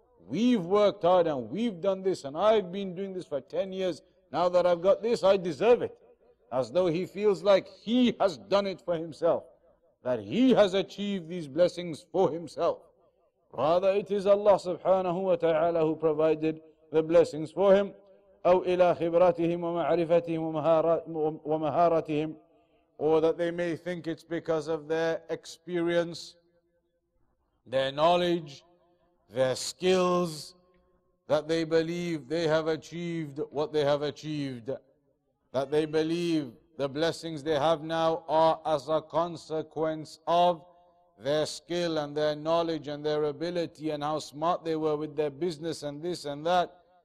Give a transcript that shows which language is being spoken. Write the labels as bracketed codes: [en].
[en] We've worked hard and we've done this and I've been doing this for 10 years. Now that I've got this, I deserve it. As though he feels like he has done it for himself. That he has achieved these blessings for himself. Rather, it is Allah subhanahu wa ta'ala who provided the blessings for him. [ar] أو إلى خبراتهم ومعرفتهم ومهاراتهم. [en] Or that they may think it's because of their experience, their knowledge, their skills, that they believe they have achieved what they have achieved. That they believe the blessings they have now are as a consequence of their skill and their knowledge and their ability and how smart they were with their business and this and that.